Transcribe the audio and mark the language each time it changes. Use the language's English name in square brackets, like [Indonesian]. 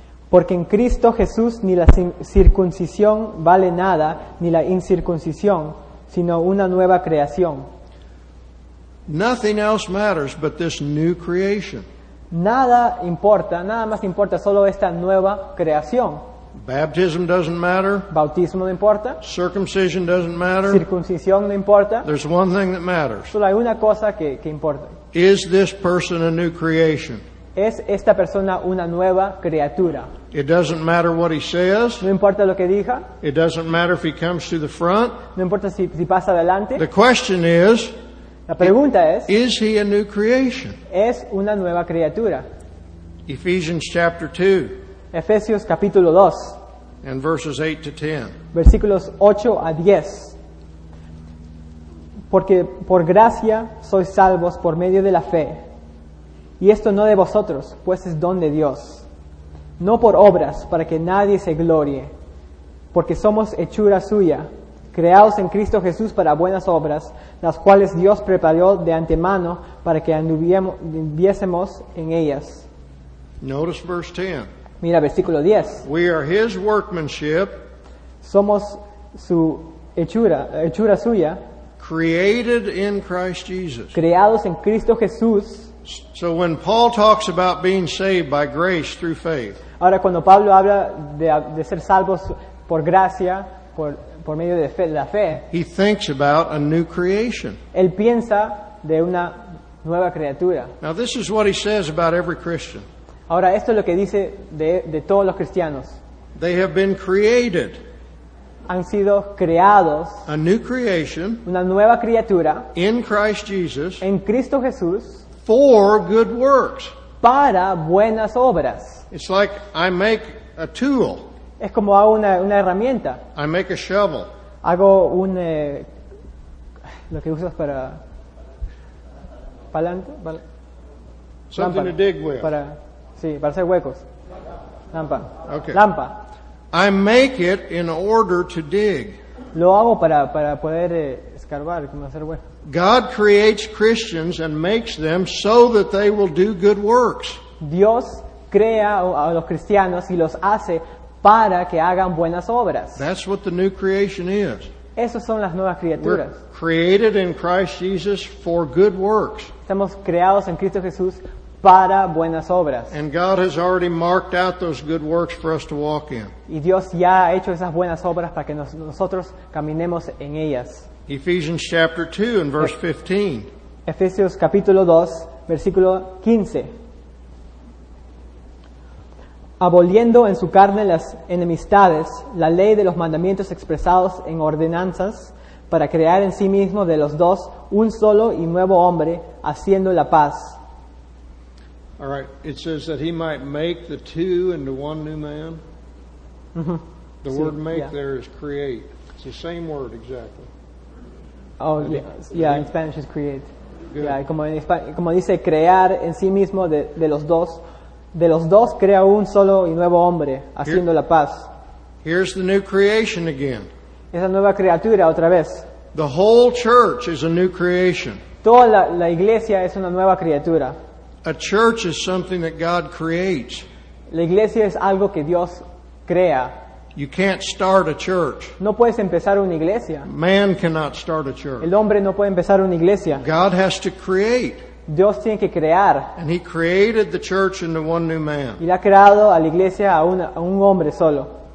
[Spanish] Porque en Cristo Jesús ni la circuncisión vale nada, ni la incircuncisión, sino una nueva creación. [English] Nothing else matters but this new creation. [Spanish] Nada importa, nada más importa, solo esta nueva creación. [English] Baptism doesn't matter. [Spanish] Bautismo no importa. [English] Circumcision doesn't matter. [Spanish] Circuncisión no importa. [English] There's one thing that matters. [Spanish] Solo hay una cosa que importa. [English] Is this person a new creation? [Spanish] ¿Es esta persona una nueva criatura? [English] It doesn't matter what he says. [Spanish] No importa lo que diga. [English] It doesn't matter if he comes to the front. [Spanish] No importa si pasa adelante. [English] The question is, [Spanish] la pregunta es, [English] is he a new creation? [Spanish] ¿Es una nueva criatura? [English] Ephesians chapter 2. [Spanish] Efesios capítulo 2. [English] And verses 8 to 10. [Spanish] Versículos 8 a 10. Porque por gracia sois salvos por medio de la fe. Y esto no de vosotros, pues es don de Dios. No por obras, para que nadie se glorie. Porque somos hechura suya, creados en Cristo Jesús para buenas obras, las cuales Dios preparó de antemano para que anduviésemos en ellas. [English] Notice verse 10. [Spanish] Mira versículo 10. [English] We are his workmanship. [Spanish] Somos su hechura, hechura suya. [English] Created in Christ Jesus. [Spanish] Creados en Cristo Jesús. [English] So when Paul talks about being saved by grace through faith. [Spanish] Ahora cuando Pablo habla de ser salvos por gracia, por medio de fe, la fe. [English] He thinks about a new creation. [Spanish] Él piensa de una nueva criatura. [English] Now this is what he says about every Christian. [Spanish] Ahora esto es lo que dice de todos los cristianos. [English] They have been created. [Spanish] Han sido creados. [English] A new creation. [Spanish] Una nueva criatura. [English] In Christ Jesus. [Spanish] En Cristo Jesús. [English] For good works. [Spanish] Para buenas obras. [English] It's like I make a tool. [Spanish] Es como hago una herramienta. [English] I make a shovel. [Spanish] Hago un lo que usas para palante, [English] something lámpara, to dig with. [Spanish] Para sí, para hacer huecos. Lampa. [English] Okay. [Spanish] Lampa. [English] I make it in order to dig. [Spanish] Lo hago para poder escarbar, como hacer huecos. [English] God creates Christians and makes them so that they will do good works. [Spanish] Dios crea a los cristianos y los hace para que hagan buenas obras. [English] That's what the new creation is. [Spanish] Esas son las nuevas criaturas. [English] We're created in Christ Jesus for good works. [Spanish] Estamos creados en Cristo Jesús para buenas obras. [English] And God has already marked out those good works for us to walk in. [Spanish] Y Dios ya ha hecho esas buenas obras para que nosotros caminemos en ellas. [English] Ephesians chapter 2 and verse 15. [Spanish] Efesios capítulo 2, versículo 15. Aboliendo en su carne las enemistades, la ley de los mandamientos expresados en ordenanzas, para crear en sí mismo de los dos un solo y nuevo hombre, haciendo la paz. [English] All right, it says that he might make the two into one new man. The sí, word make yeah. There is create. It's the same word exactly. Oh, yeah, in Spanish it's create. Good. [Spanish] Yeah, como dice crear en sí mismo de los dos crea un solo y nuevo hombre, haciendo la paz. [English] Here's the new creation again. [Spanish] Esa nueva criatura otra vez. [English] The whole church is a new creation. [Spanish] Toda la iglesia es una nueva criatura. [English] A church is something that God creates. [Spanish] La iglesia es algo que Dios crea. [English] You can't start a church. [Spanish] No puedes empezar una iglesia. [English] Man cannot start a church. [Spanish] El hombre no puede empezar una iglesia. [English] God has to create. [Spanish] Dios tiene que crear. [English] And he created the church into one new man. [Spanish] Y ha creado a la iglesia a un hombre solo.